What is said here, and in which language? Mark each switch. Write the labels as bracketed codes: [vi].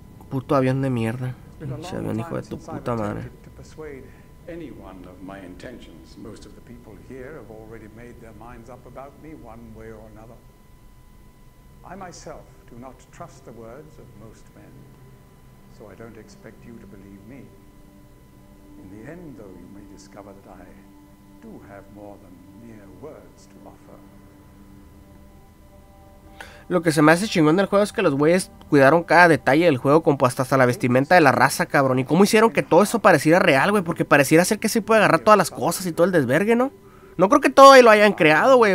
[es] Puto avión de mierda. Se ve un hijo de tu puta madre. [en] To persuade anyone of my intentions. Most of the people here have already made their minds up about me one way or another. I myself do not trust the words of most men, so I don't expect you to believe me. In the end, though, you may discover that I do have more than mere words to offer. [es] Lo que se me hace chingón del juego es que los güeyes cuidaron cada detalle del juego, como hasta la vestimenta de la raza, cabrón. ¿Y cómo hicieron que todo eso pareciera real, güey? Porque pareciera ser que se puede agarrar todas las cosas y todo el desvergue, ¿no? No creo que todo ahí lo hayan creado, güey.